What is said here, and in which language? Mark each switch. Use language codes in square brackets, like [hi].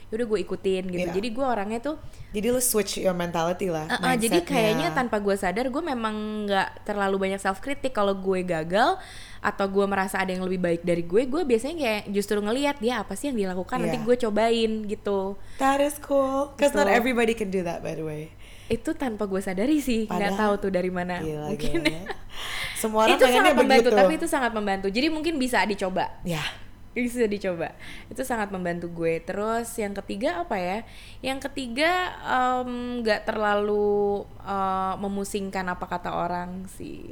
[id] Yaudah gue ikutin gitu. Jadi gue orangnya tuh, jadi lu [en] switch your mentality [id] lah. Jadi kayaknya tanpa gue sadar gue memang gak terlalu banyak self kritik. Kalau gue gagal atau gue merasa ada yang lebih baik dari gue biasanya kayak justru ngelihat dia apa sih yang dilakukan, nanti gue cobain gitu. [en] That is cool, cause gitu. Not everybody can do that by the way. [id] Itu tanpa gue sadari sih, nggak tahu tuh dari mana. Gila, mungkin gila. Semua orang itu sangat begitu. Membantu, tapi itu sangat membantu. Jadi mungkin bisa dicoba. Ya, bisa dicoba. Itu sangat membantu gue. Terus yang ketiga apa ya? Yang ketiga nggak terlalu memusingkan apa kata orang sih.